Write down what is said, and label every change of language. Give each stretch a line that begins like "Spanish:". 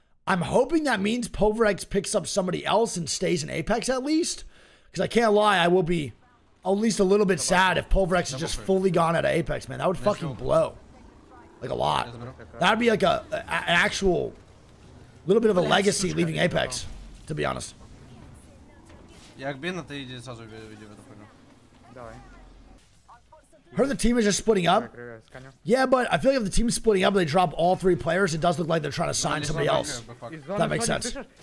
English: I'm hoping that means Pulverex picks up somebody else and stays in Apex at least. Because I can't lie, I will be at least a little bit sad if Pulverex is just fully gone out of Apex, man. That would fucking blow. Like a lot. That would be like an actual little bit of a legacy leaving Apex, to be honest.
Russian: Як бина, ты иди сразу в видео, я так понял. Давай.
English: Heard the team is just splitting up. Yeah, but I feel like if the team's splitting up and they drop all three players, it does look like they're trying to sign somebody else. That makes sense.